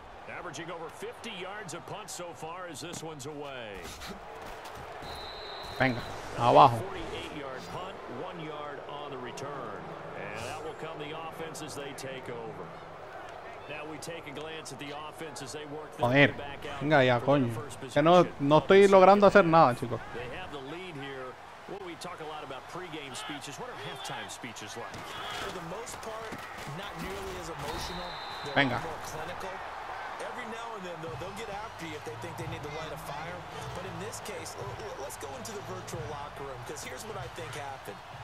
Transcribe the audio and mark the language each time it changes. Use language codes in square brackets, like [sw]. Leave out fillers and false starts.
[en] Averaging over 50 yards a punt so far as this one's away. [es] Venga, abajo. [en] 48-yard punt, 1 yard on the return. And that will come the offense as they take over. Now we take a glance at the offense as they work the [es] joder, venga ya, coño. Que no, no estoy logrando hacer nada, chicos. [en] They have the lead here. What we talk a lot about pre-game speeches. What are halftime speeches like? For the most part, not nearly as emotional. [es] Venga. [en] More clinical. Every now and then, though, they'll get after you if they think they need to light a fire. But in this case, let's go into the virtual locker room because here's what I think happened.